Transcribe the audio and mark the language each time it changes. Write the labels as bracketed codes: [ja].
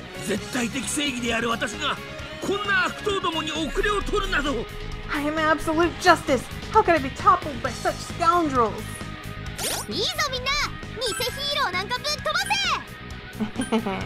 [ja] 絶対的正義である私がこんな悪党どもに遅れを取るなど。 [en] I am absolute justice. How can I be toppled by such scoundrels? [ja] いいぞみんな、偽ヒーローなんかぶっ飛ばせ。